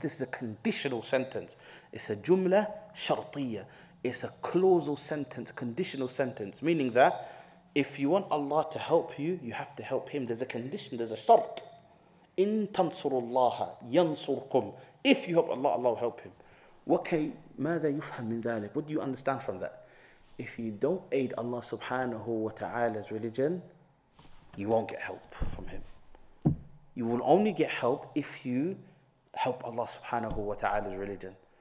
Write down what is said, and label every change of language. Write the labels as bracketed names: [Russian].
[English] This is a conditional sentence. It's a jumla shartiyya. It's a clausal sentence, conditional sentence, meaning that if you want Allah to help you, you have to help Him. There's a condition, there's a shart. [Arabic] In tansurullaha yansurkum. [English] If you help Allah, Allah will help him. Okay, [Arabic] ماذا يفهم من ذلك? [English] What do you understand from that? If you don't aid Allah subhanahu wa ta'ala's religion, you won't get help from Him. You will only get help if you help Allah subhanahu wa ta'ala's religion.